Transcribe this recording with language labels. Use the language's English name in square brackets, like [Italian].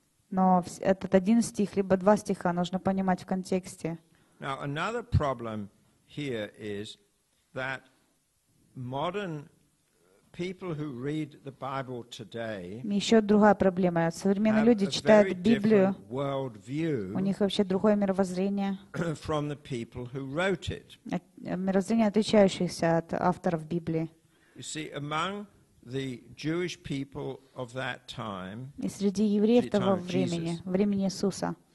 [Russian] Но этот один стих либо два стиха нужно понимать в контексте. [English] Now another problem here is that modern people who read the Bible today. [Russian] Еще другая проблема. Современные люди читают Библию. У них вообще другое мировоззрение. [English] From the people who wrote it. [Russian] Мировоззрение, отличающееся от авторов Библии. [English] You see, among the Jewish people of that time. [Russian] И среди евреев того времени, времени Иисуса.